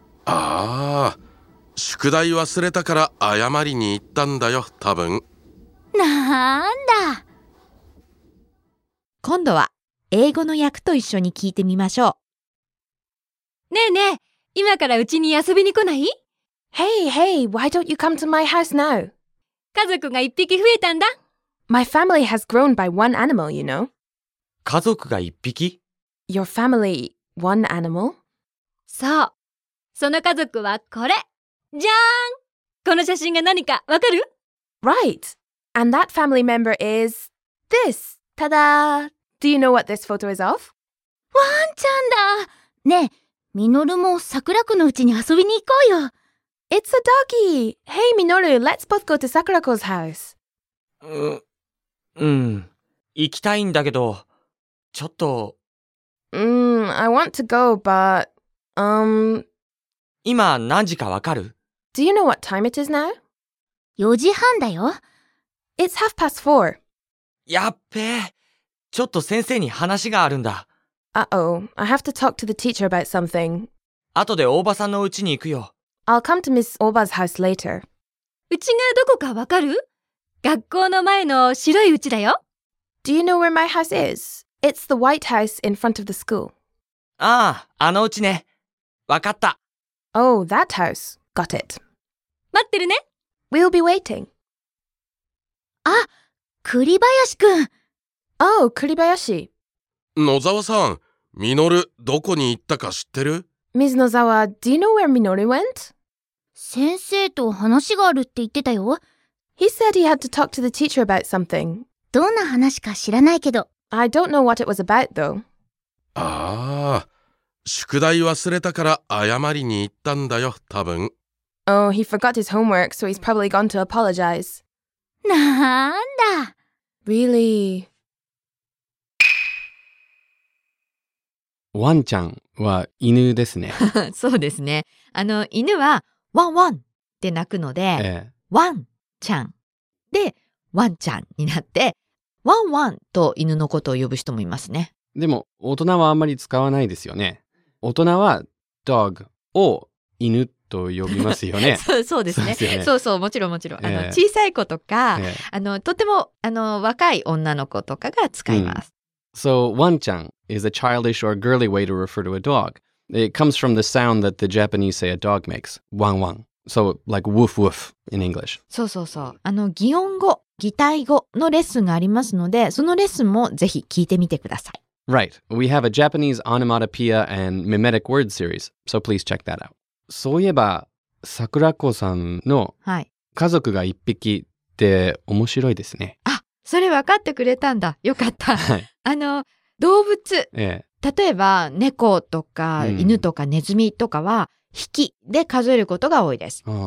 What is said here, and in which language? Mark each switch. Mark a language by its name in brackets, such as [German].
[Japanese] ああ、宿題忘れたから謝りに行ったんだよ、多分。なんだ。今度は英語の訳と一緒に聞いてみましょう。ねえねえ、今からうちに遊びに来ない？ [English] Hey, hey, why don't you come to my house now? [Japanese] 家族が一匹増えたんだ。 [English] My family has grown by one animal, you know. [Japanese] 家族が一匹？ [English] Your family, one animal? [Japanese] そう。その家族はこれ。じゃーん！この写真が何かわかる？ [English] Right. And that family member is this. Ta-da! Do you know what this photo is of? [Japanese] ワンちゃんだ！ねえ、ミノルも桜子の家に遊びに行こうよ。 [English] It's a doggy! Hey, Minoru, let's both go to Sakurako's house. I want to go, but... [Japanese] 今何時かわかる？ [English] Do you know what time it is now? [Japanese] 4時半だよ。 [English] It's half past four. [Japanese] やっべえ！ちょっと先生に話があるんだ。 [English] Uh-oh. I have to talk to the teacher about something. [Japanese] 後で大場さんの家に行くよ。 [English] I'll come to Miss Oba's house later. [Japanese] うちがどこかわかる？学校の前の白い家だよ。 [English] Do you know where my house is? It's the white house in front of the school. [Japanese] ああ、あの家ね。わかった。 [English] Oh, that house. Got it. [Japanese] 待ってるね。 [English] We'll be waiting. [Japanese] あ、栗林くん。 [English] Oh, 栗林。 [Japanese] 野沢さん、ミノル、どこに行ったか知ってる？ [English] Ms. Nozawa, do you know where Minoru went? [Japanese] 先生と話があるって言ってたよ。 [English] He said he had to talk to the teacher about something. [Japanese] どんな話か知らないけど。 [English] I don't know what it was about, though. [Japanese] ああ、宿題忘れたから謝りに行ったんだよ、多分。 [English] Oh, he forgot his homework, so he's probably gone to apologize. [Japanese] なんだ。 [English] Really? [Japanese] ワンちゃんは犬ですね。そうですね。犬はワンワンって鳴くので、ワンちゃんでワンちゃんになって、ワンワンと犬のことを呼ぶ人もいますね。でも大人はあんまり使わないですよね。大人は dog を犬と呼びますよね。そうですね。そうそう、もちろんもちろん、小さい子とか、とても若い女の子とかが使います。う [English] ん、so, ワンちゃん is a childish or girly way to refer to a dog. It comes from the sound that the Japanese say a dog makes, ワンワン。 So, like woof woof in English. [Japanese] そうそうそう。擬音語、擬態語のレッスンがありますので、そのレッスンもぜひ聞いてみてください。 [English] Right. We have a Japanese onomatopoeia and mimetic word series, so please check that out. [Japanese] そういえば、さくらこさんの家族が一匹って面白いですね。あ、それ分かってくれたんだ。よかった。動物、例えば猫とか犬とかネズミとかは、匹で数えることが多いです。